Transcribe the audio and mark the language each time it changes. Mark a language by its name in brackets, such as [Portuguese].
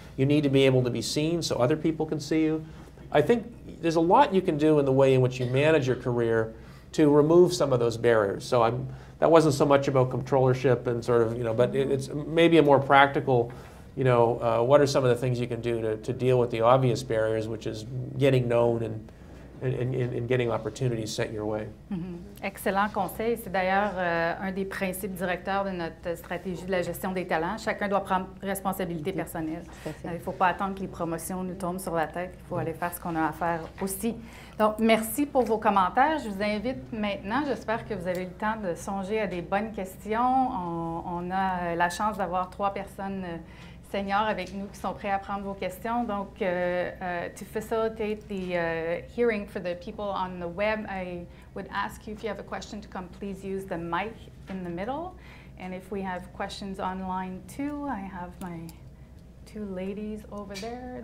[English] You need to be able to be seen so other people can see you. I think there's a lot you can do in the way in which you manage your career to remove some of those barriers. So that wasn't so much about controllership and sort of, but it's maybe a more practical, what are some of the things you can do to deal with the obvious barriers, which is getting known and getting opportunities sent your way. [French] Mm-hmm. Excellent conseil. C'est d'ailleurs un des principes directeurs de notre stratégie de la gestion des talents. Chacun doit prendre responsabilité personnelle. Il ne faut pas attendre que les promotions nous tombent sur la tête. Il faut aller faire ce qu'on a à faire aussi. Donc, merci pour vos commentaires. Je vous invite maintenant, j'espère que vous avez eu le temps de songer à des bonnes questions. On a la chance d'avoir trois personnes seniors avec nous qui sont prêts à prendre vos questions. [English] Donc, to facilitate the hearing for the people on the web, I would ask you if you have a question to come, please use the mic in the middle. And if we have questions online too, I have my two ladies over there.